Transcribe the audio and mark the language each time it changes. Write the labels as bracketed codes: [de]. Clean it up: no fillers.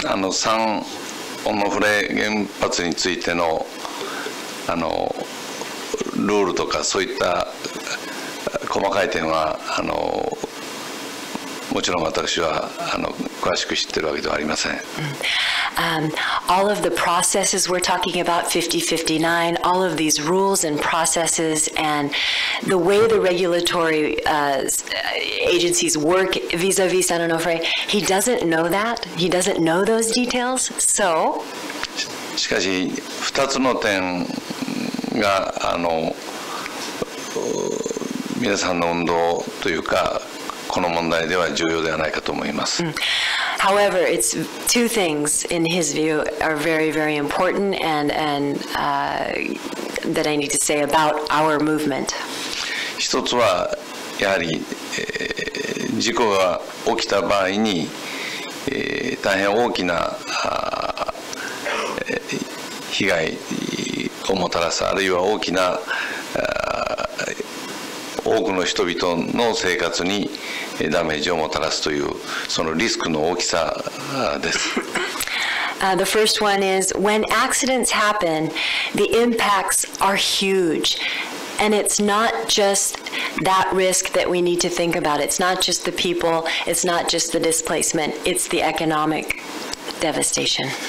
[ja] San Onofre 原発についてのあのルールとかそういった細かい点はあのもちろん私はあの詳しく知ってるわけではありません。 [en] All of the processes we're talking about, 5059, all of these rules and processes and the way the regulatory agencies work vis-a-vis San Onofre, he doesn't know that. He doesn't know those details. So, [ja] しかし2つの点があの皆さんの運動というかこの問題では重要ではないかと思います。 [en] However, it's two things in his view are very, very important and that I need to say about our movement. [ja] 一つはやはり、事故が起きた場合に、大変大きな被害をもたらす、あるいは大きな多くの人々の生活にダメージをもたらすというそのリスクの大きさです。 [en] The first one is when accidents happen, the impacts are huge, and it's not just that risk that we need to think about. It's not just the people, it's not just the displacement, it's the economic devastation.